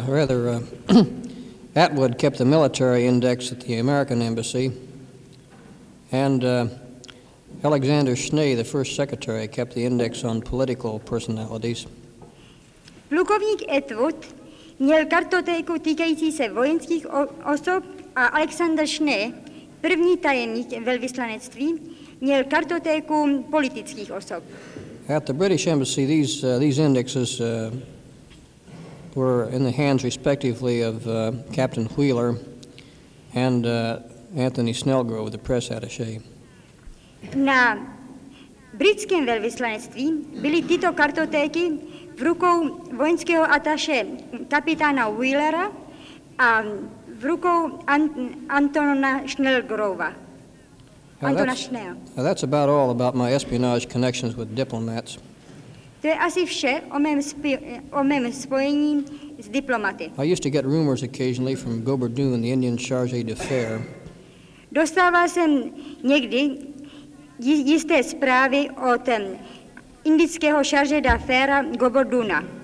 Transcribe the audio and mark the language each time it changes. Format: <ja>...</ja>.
<en>Rather, Atwood kept the military index at the American Embassy, and Alexander Schnee, the first secretary, kept the index on political personalities.</en> <cs>Plukovník Atwood měl kartotéku týkající se vojenských osob a Alexander Schnee, první tajemník velvyslanectví, měl kartotéku politických osob.</cs> <en>At the British Embassy, these indexes were in the hands, respectively, of Captain Wheeler and Anthony Snelgrove, the press attaché.</en> <cs>Na britském velvyslanectví byly tyto kartotéky v rukou vojenského ataše kapitána Wheelera a v rukou Antona Schnellgrova.</cs> <en>Now that's about all about my espionage connections with diplomats.</en> <cs>To je asi vše o mém spojení s diplomaty.</cs> <en>I used to get rumors occasionally from Gobardoon, the Indian charge d'affaires.</en> <cs>Dostával jsem někdy jisté zprávy od indického charge d'affaires Gobarduna.</cs>